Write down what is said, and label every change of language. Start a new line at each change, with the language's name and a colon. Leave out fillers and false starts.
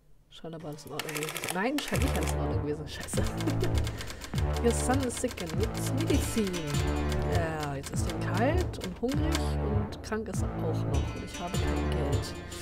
German: Scheint aber alles in Ordnung gewesen. Nein, scheint nicht alles in Ordnung gewesen. Scheiße.
English: Your son is sick and needs medicine.
German: Ja, jetzt ist er kalt und hungrig und krank ist er auch noch. Und ich habe kein Geld.